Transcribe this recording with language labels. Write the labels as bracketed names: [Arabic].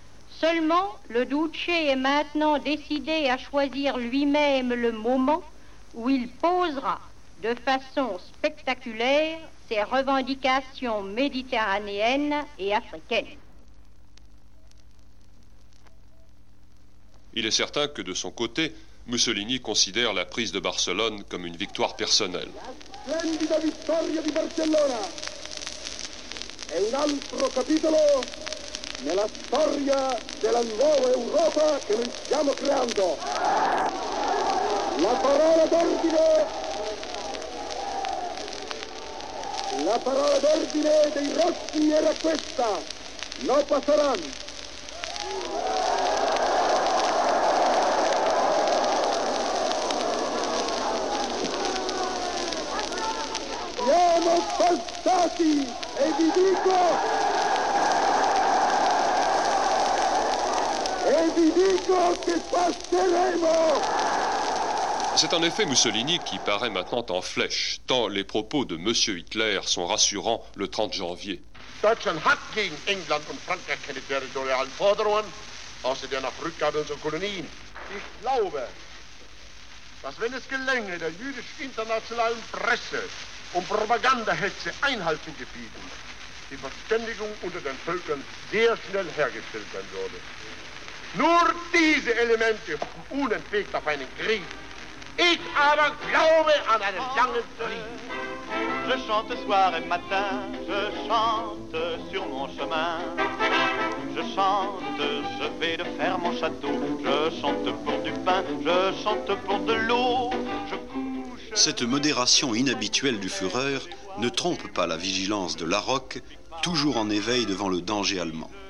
[French] Seulement, le Duce est maintenant décidé à choisir lui-même le moment où il posera de façon spectaculaire ses revendications méditerranéennes et africaines. Il est certain que de son côté, Mussolini considère la prise de Barcelone comme une victoire personnelle. [Italian] La splendida vittoria di Barcellona è un altro capitolo nella storia della nuova Europa che noi stiamo creando. La parola d'ordine, la parola d'ordine dei rossi era questa: [Spanish] no pasarán. [Italian] Siamo passati e vi dico, e vi dico che passeremo. [French] C'est en effet Mussolini qui paraît maintenant en flèche, tant les propos de Monsieur Hitler sont rassurants le 30 janvier. [German] Deutschland hat gegen England und Frankreich keine territorialen Forderungen, außer der Rückgabe unserer Kolonien. Ich glaube, dass wenn es gelänge, der jüdisch-internationalen Presse und Propagandahetze Einhalt zu gebieten, die Verständigung unter den Völkern sehr schnell hergestellt werden würde. Nur diese Elemente unentwegt auf einen Krieg. Ich aber glaube an einen langen Frieden. [French] Je chante soir et matin, je chante sur mon chemin. Je chante, je vais de faire mon château. Je chante pour du pain, je chante pour de l'eau. Cette modération inhabituelle du Führer ne trompe pas la vigilance de Laroque, toujours en éveil devant le danger allemand.